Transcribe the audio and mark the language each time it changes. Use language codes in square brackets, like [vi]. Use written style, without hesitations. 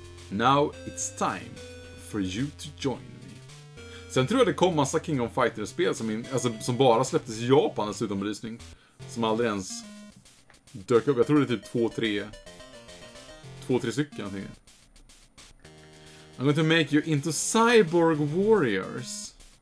[en] Now it's time for you to join. [sv] Sen tror jag det kom massa Kingdom Fighters-spel som bara släpptes i Japan dessutom belysning. Som aldrig ens dök upp. Jag tror det är typ två, tre stycken. [en] I'm going to make you into cyborg warriors.